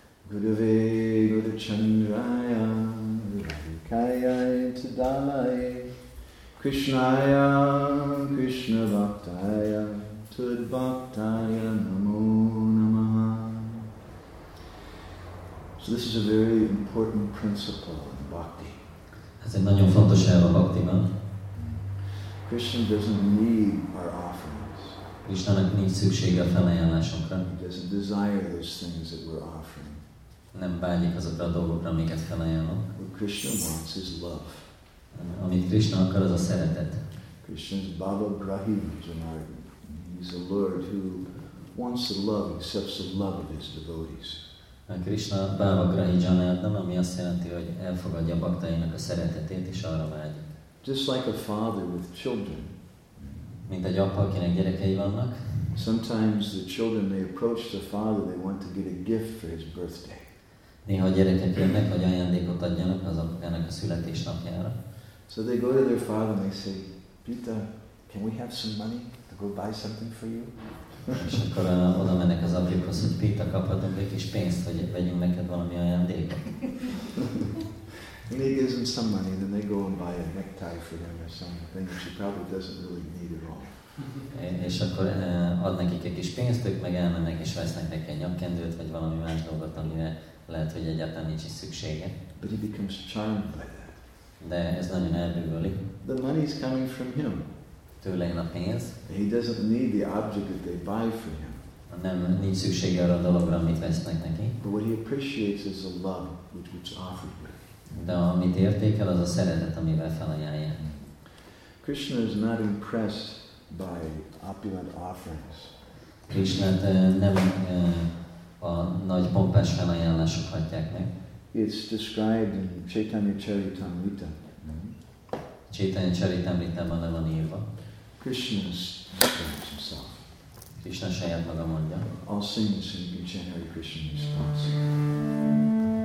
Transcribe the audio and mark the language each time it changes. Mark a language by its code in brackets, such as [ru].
[sa] Gurave Guru Chandraya Radhikayaya Tadalaya Krishnaya Krishna Bhaktaya Tud Bhaktaya Namo Namaha. [en] So this is a very important principle in bhakti. [hu] Ez egy nagyon fontos elv a baktiban. [en] Krishna doesn't need our offerings. [hu] Istennek nincs szüksége a felajánlásunkra. [en] He doesn't desire those things that we're offering. [hu] Nem bánik azokra a dolgokra, amiket felajánlunk. [en] What Krishna wants is love. [hu] Amit Krishna akar, az a szeretet. [sa] Krishna's Baba Brahi Janardhan. [en] He's a Lord who wants the love, accepts the love of his devotees. [hu] A [sa] Krishna Bhava Grahi Janardhan, [hu] ami azt jelenti, hogy elfogadja a baktáinak a szeretetét, és arra vágyik. [en] Just like a father with children. [hu] Mint egy apa, akinek gyerekei vannak. [en] Sometimes the children, they approach the father, they want to get a gift for his birthday. [hu] Néha a gyerekek jönnek, hogy ajándékot adjanak az apukának a születésnapjára. [en] So they go to their father and they say, Pita, can we have some money to go buy something for you? [hu] És akkor oda mennek az apjukhoz, hogy Pita, kaphatunk egy kis pénzt, hogy vegyünk neked valami ajándékot. [en] And he gives them some money, then they go and buy a necktie for them or something. She probably doesn't really need it all. [hu] És akkor ad nekik egy kis pénzt, ők meg elmennek és vesznek neki egy nyakkendőt, vagy valami más dolgot, amire lehet, hogy egyáltalán nincs is szüksége. [en] But he becomes charmed by that. [hu] De ez nagyon elbűvöli. [en] The money is coming from him. [hu] Tőle jön a pénz. [en] He doesn't need the object that they buy for him. [hu] Nem, nincs szüksége arra a dologra, amit vesznek neki. [en] But what he appreciates is the love which is offered with. [hu] De amit értékel, az a szeretet, amivel felajánlják. [en] Krishna is not impressed by opulent offerings. [hu] Krishna nem a nagy pompás felajánlások hatják meg. [en] It's described in Chaitanya Charitamrita. [hu] Chaitanya Charitamrita-ban le van írva. [en] Krishna describes himself. [hu] Krishna saját maga mondja. [en] All saints in each and every Krishna response.